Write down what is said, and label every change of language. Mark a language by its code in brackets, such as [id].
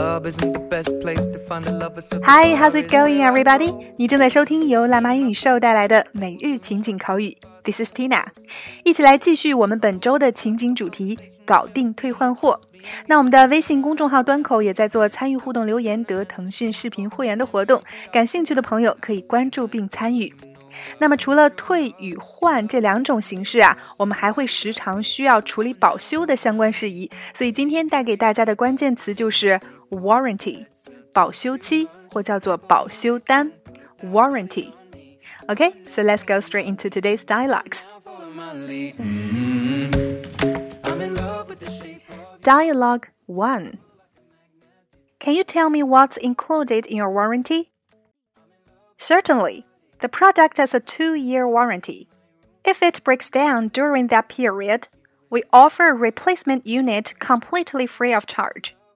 [en] isn't the best place to find a lover. Hi, how's it going, everybody? [zh] 你正在收听由辣妈英语秀带来的每日情景口语。 [en] This is Tina. [zh] 一起来继续我们本周的情景主题，搞定退换货。那我们的微信公众号端口也在做参与互动留言得腾讯视频会员的活动，感兴趣的朋友可以关注并参与。那么除了退与换这两种形式啊，我们还会时常需要处理保修的相关事宜，所以今天带给大家的关键词就是 warranty， 保修期或叫做保修单 warranty。 [en] OK, so let's go straight into today's dialogues. Dialogue 1. Can you tell me what's included in your warranty? Certainly. The product has a 2-year warranty. If it breaks down during that period, we offer a replacement unit completely free of charge.